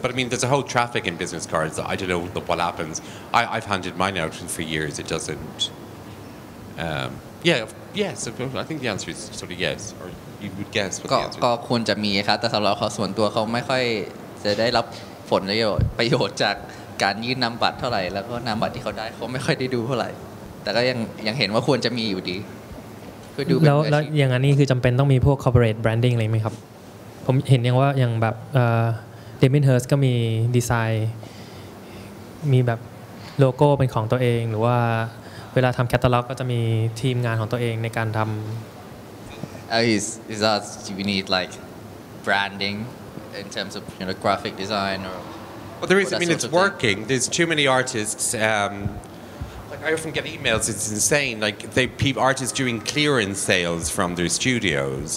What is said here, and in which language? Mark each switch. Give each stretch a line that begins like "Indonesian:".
English: But I mean, there's a whole traffic in business cards. I don't know what happens. I've handed mine out for years. It doesn't. Yes. I think the answer is sort of yes, or you would guess.
Thai: ก็ควรจะมีครับแต่สำหรับเขาส่วนตัวเขาไม่ค่อยจะได้รับผลประโยชน์จากการยื่นนามบัตรเท่าไหร่แล้วก็นามบัตรที่เขาได้เขาไม่ค่อยได้ดูเท่าไหร่แต่ก็ยังเห็นว่าควรจะมีอยู่ดี แล้วอย่างนี้คือจำเป็นต้องมีพวก corporate branding อะไรไหมครับผมเห็นอย่างว่าอย่างแบบเดมินเฮิร์สก็มีดีไซน์มีแบบโลโก้เป็นของตัวเองหรือว่าเวลาทำแคตตาล็อกก็จะมีทีมงานของตัวเองในการทำ
English: is that you need like branding in terms of you know graphic design or Well, there is. I mean, it's working. Thing. There's too many artists. I often get emails. It's insane. Like they artists doing clearance sales from their studios.